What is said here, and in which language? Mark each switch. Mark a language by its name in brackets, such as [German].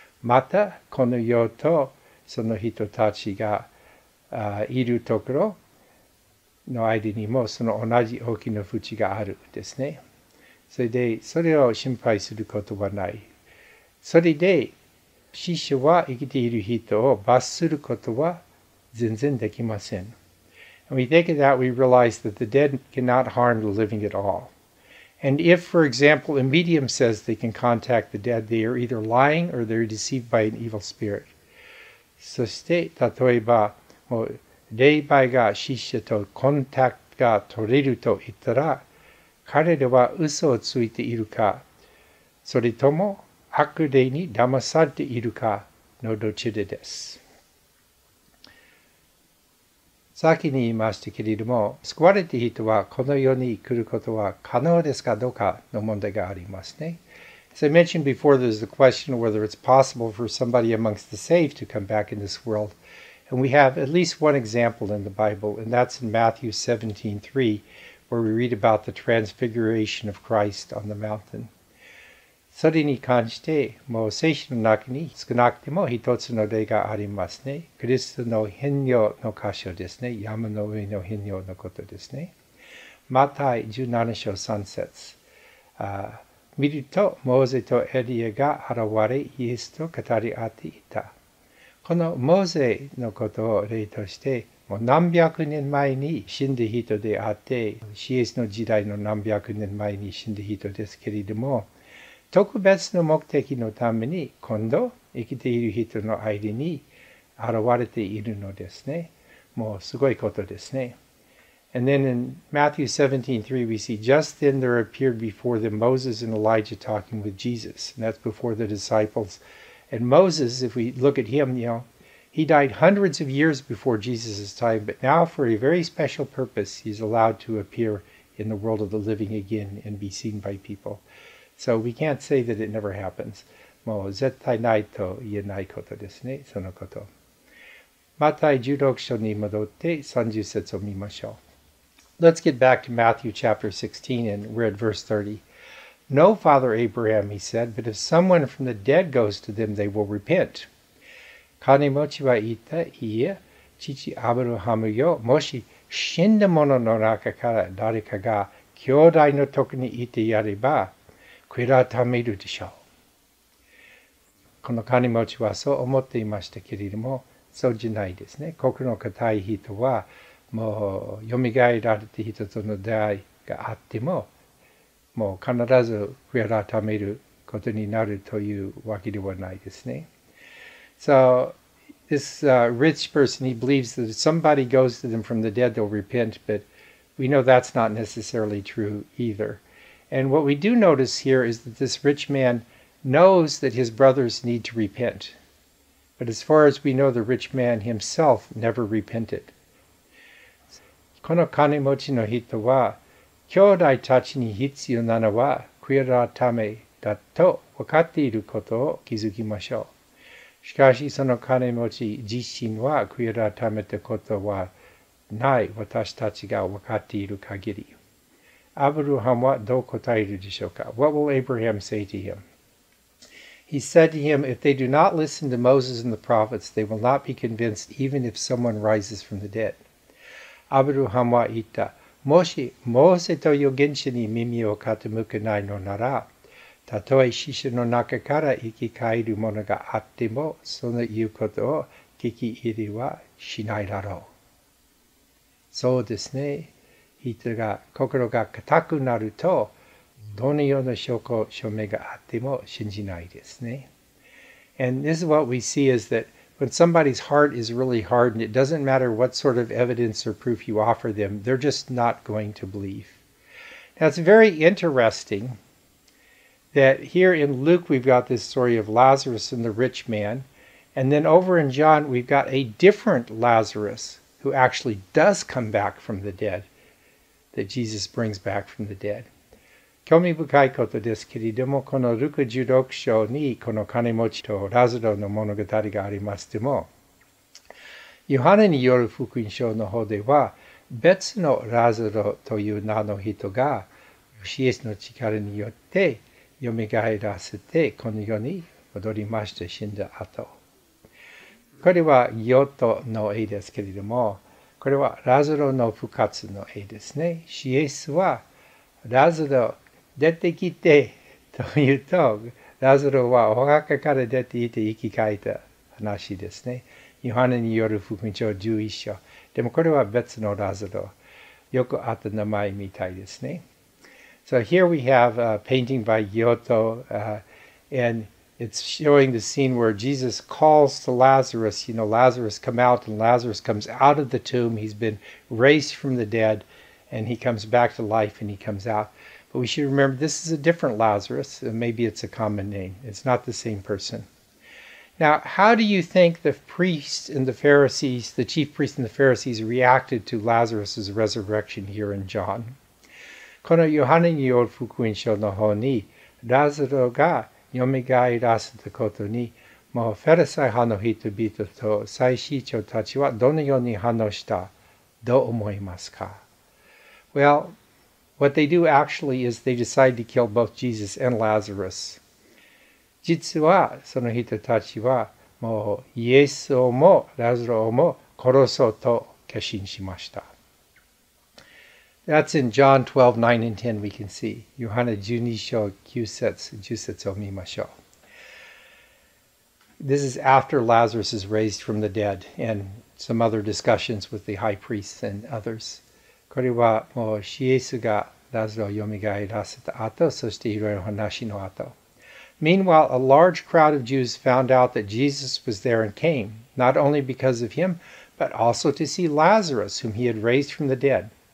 [Japanese] またこの世とその人たちがいるところの間にもその同じ大きな縁があるんですね。それでそれを心配することはない。それで死者は生きている人を罰することは全然できません。 [English] And we think of that, we realize that the dead cannot harm the living at all. And if, for example, a medium says they can contact the dead, they are either lying or they are deceived by an evil spirit. [Japanese] そして、例えば、もう霊媒が死者とコンタクトが取れると言ったら、彼らは嘘をついているか、それとも悪霊に騙されているかのどちらです。先に言いましたけれども、救われた人はこの世に来ることは可能ですかどうかの問題がありますね。 [English] As I mentioned before, there's the question of whether it's possible for somebody amongst the saved to come back in this world. And we have at least one example in the Bible, and that's in Matthew 17:3, where we read about the transfiguration of Christ on the mountain. [Japanese] それに関して、もう聖書の中に少なくても一つの例がありますね。クリストの変容の箇所ですね。山の上の変容のことですね。マタイ17章3節。見ると、モーゼとエリアが現れ、イエスと語り合っていた。このモーゼのことを例として、もう何百年前に死んだ人であって、シエスの時代の何百年前に死んだ人ですけれども、特別の目的のために今度生きている人の間に現れているのですね。もうすごいことですね。 [English] And then in Matthew 17:3 we see, just then there appeared before them Moses and Elijah talking with Jesus. And that's before the disciples. And Moses, if we look at him, you know, he died hundreds of years before Jesus' time, but now for a very special purpose, he's allowed to appear in the world of the living again and be seen by people. So we can't say that it never happens. [Japanese] もう絶対ないと言えないことですね、そのこと。マタイ16章に戻って30節を見ましょう。 [English] Let's get back to Matthew chapter 16 and we're at verse 30. No, Father Abraham, he said, but if someone from the dead goes to them, they will repent. [Japanese] 金持ちは言った、いや、父アブラハムよ、もし死んだ者の中から誰かが兄弟のとこにいてやれば、悔い改めるでしょう。この金持ちはそう思っていましたけれども、そうじゃないですね。心の固い人は、もう蘇られた人との出会いがあっても、もう必ず悔い改めることになるというわけではないですね。 [English] So, this rich person, he believes that if somebody goes to them from the dead, they'll repent, but we know that's not necessarily true either. And what we do notice here is that this rich man knows that his brothers need to repent. But as far as we know, the rich man himself never repented. [Japanese] この金持ちの人は、兄弟たちに必要なのは悔い改めだと分かっていることを気づきましょう。しかしその金持ち自身は悔い改めたことはない、私たちが分かっている限り。アブラハムはどう答えるでしょうか? [English] What will Abraham say to him? He said to him, If they do not listen to Moses and the prophets, they will not be convinced even if someone rises from the dead. [Japanese] アブラハムは言った。もしモーセと預言者に耳を傾けないのなら、たとえ死者の中から生き返る者があっても、その言うことを聞き入りはしないだろう。そうですね。人が心が固くなると、どのような証拠、証明があっても信じないですね。 [English] And this is what we see is that When somebody's heart is really hardened, it doesn't matter what sort of evidence or proof you offer them, they're just not going to believe. Now, it's very interesting that here in Luke, we've got this story of Lazarus and the rich man. And then over in John, we've got a different Lazarus who actually does come back from the dead, that Jesus brings back from the dead. [Japanese] 興味深いことですけれども、このルカ16章にこの金持ちとラザロの物語がありますでも、ヨハネによる福音書の方では、別のラザロという名の人が、イエスの力によってよみがえらせて、この世に戻りました、死んだ後。これはヨトの絵ですけれども、これはラザロの復活の絵ですね。イエスはラザロ出てきてというと、ラザロはお墓から出ていて生き返った話ですね。ヨハネによる福音書11章。でもこれは別のラザロ。よくあった名前みたいですね。 [English] So here we have a painting by Giotto, and it's showing the scene where Jesus calls to Lazarus. You know, Lazarus come out, and Lazarus comes out of the tomb. He's been raised from the dead, and he comes back to life, and he comes out. But we should remember this is a different Lazarus. Maybe it's a common name. It's not the same person. Now, how do you think the priests and the Pharisees, the chief priests and the Pharisees, reacted to Lazarus' resurrection here in John? [Japanese] このヨハネによる福音書の方に、ラザロがよみがえらせたことに、もうフェリサイ派の人々と祭司長たちはどのように反応した？どう思いますか？ [English] Well,What they do actually is they decide to kill both Jesus and Lazarus. [Japanese] 実はその人たちはもうイエスをもラザロをも殺そうと決心しました。 [English] That's in John 12, 9 and 10 we can see. [Japanese] ヨハネ12章9節、10節を見ましょう。 [English] This is after Lazarus is raised from the dead and some other discussions with the high priests and others. [Japanese] これはもうシエスがラザロをよみがえらせた後、そしていろいろ話の後。 [English] Meanwhile, a large crowd of Jews found out that Jesus was there and came, not only because of him, but also to see Lazarus, whom he had raised from the dead.